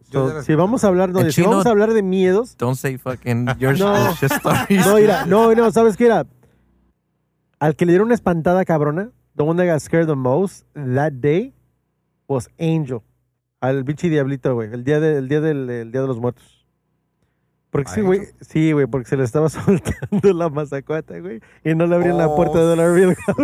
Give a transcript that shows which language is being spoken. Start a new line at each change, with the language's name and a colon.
Spanish: So, si vamos a hablar, no, si vamos a hablar de miedos.
English: Don't say fucking your shit stories.
Spanish: No, mira, no, ¿sabes qué era? Al que le dieron una espantada cabrona,
English: the one that got scared the most that day was Angel.
Spanish: Al bichi diablito, güey. El día de los muertos. Porque sí, güey. Sí, güey, porque se le estaba soltando la mazacuata, güey. Y no le abrían la puerta de Dollar Bill.